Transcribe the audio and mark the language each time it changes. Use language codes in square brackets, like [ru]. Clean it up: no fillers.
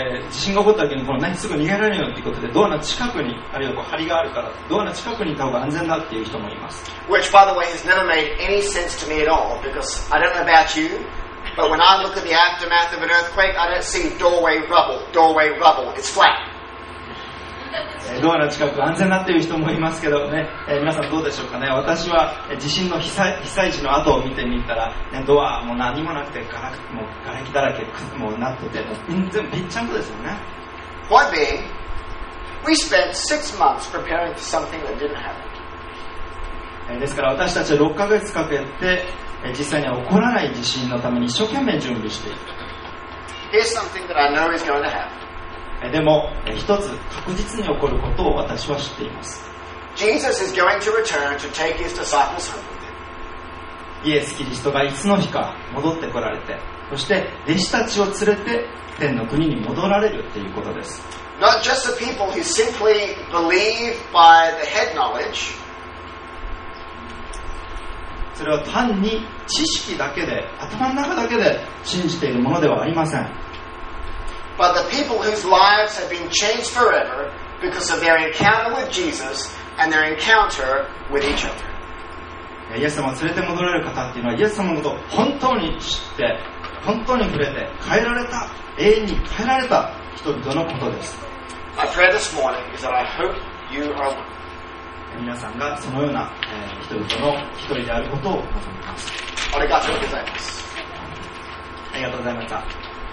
[ja] 地震が起こった時にこの何すぐ逃げられるよということでドアの近くに、あるいはこう針があるからドアの近くにいた方が安全だっていう人もいます。 [en] Which, by the way, has never made any sense to me at all, because I don't know about you, but when I look at the aftermath of an earthquake, I don't see doorway rubble, it's flat. [ja] ドアの近く安全になっている人もいますけどね、皆さんどうでしょうかね。私は地震の被災地の後を見てみたら、ね、ドアもう何もなくてガラもうがらきだらけもうなってて、もう全然ぴっちゃんこですよね。 [en] Point being, we spent 6 months preparing for something that didn't happen. [ja] ですから私たちは6ヶ月かけて実際には起こらない地震のために一生懸命準備していた。 [en] Here's something that I know is going to happen. [ja] でも一つ確実に起こることを私は知っています。 [en] Jesus is going to return to take his disciples home. [ja] イエス・キリストがいつの日か戻ってこられて、そして弟子たちを連れて天の国に戻られるということです。 [en] Not just the people who simply believe by the head knowledge. [ja] それは単に知識だけで、頭の中だけで信じているものではありません。 [en] But the people whose lives have been changed forever because of their encounter with Jesus and their encounter with each other. [ja] イエス様を連れて戻れる方っていうのは、イエス様のことを本当に知って、本当に触れて、変えられた、永遠に変えられた人々のことです。 [en] My prayer this morning is that I hope you are one. [ja] 皆さんがそのような人々の一人であることを望みます。ありがとうございます。ありがとうございました。